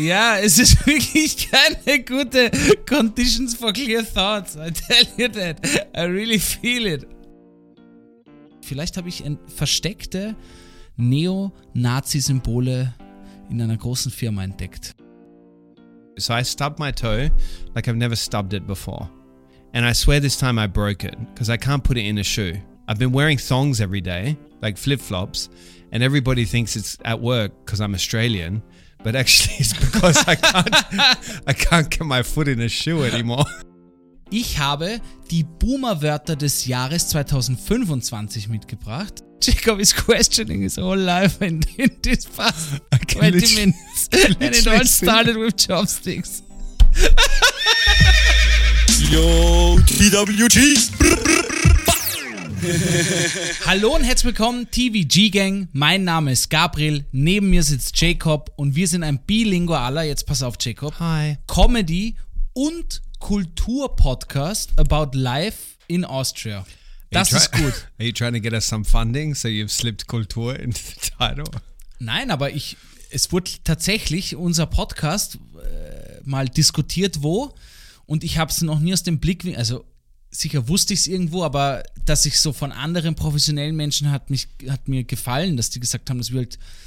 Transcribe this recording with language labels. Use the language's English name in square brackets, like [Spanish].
[German] Ja, es ist wirklich keine gute [English] Conditions for clear thoughts. I tell you that. I really feel it. [German] Vielleicht habe ich versteckte Neo-Nazi-Symbole in einer großen Firma entdeckt. [English] So I stubbed my toe like I've never stubbed it before. And I swear this time I broke it, because I can't put it in a shoe. I've been wearing thongs every day, like flip-flops, and everybody thinks it's at work because I'm Australian, but actually it's because I can't get my foot in a shoe anymore. [German] Ich habe die Boomer-Wörter des Jahres 2025 mitgebracht. [English] Jacob is questioning his whole life in this past 20 minutes. And it all started with chopsticks. Yo, TWG! [German] Hallo und herzlich willkommen, TVG Gang. Mein Name ist Gabriel, neben mir sitzt Jacob und wir sind ein bilingualer, jetzt pass auf, Jacob. [English] Hi. [German] Comedy und Kultur-Podcast [English] about life in Austria. [German] Das ist gut. [English] Are you trying to get us some funding, so you've slipped Kultur into the title? [German] Nein, aber es wurde tatsächlich unser Podcast mal diskutiert, wo. Und ich habe es noch nie aus dem Blickwinkel, also sicher wusste ich es irgendwo, aber dass ich so von anderen professionellen Menschen hat mir gefallen, dass die gesagt haben, das wird